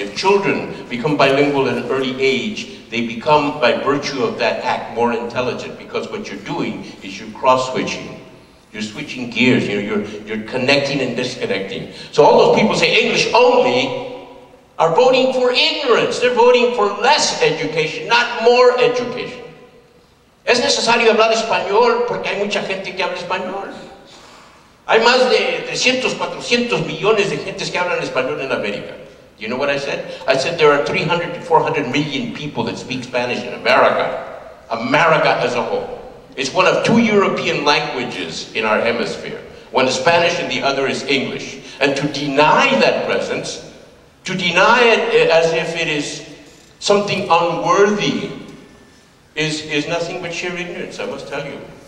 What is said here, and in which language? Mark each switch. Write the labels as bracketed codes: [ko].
[en] If children become bilingual at an early age, they become, by virtue of that act, more intelligent, because what you're doing is you're cross-switching. You're switching gears, you're connecting and disconnecting. So all those people say English only are voting for ignorance. They're voting for less education, not more education. [es] Es necesario hablar español porque hay mucha gente que habla español. Hay más de 300, 400 millones de gentes que hablan español en América. [en] You know what I said? I said there are 300 to 400 million people that speak Spanish in America. America as a whole. It's one of two European languages in our hemisphere. One is Spanish and the other is English. And to deny that presence, to deny it as if it is something unworthy, is nothing but sheer ignorance, I must tell you.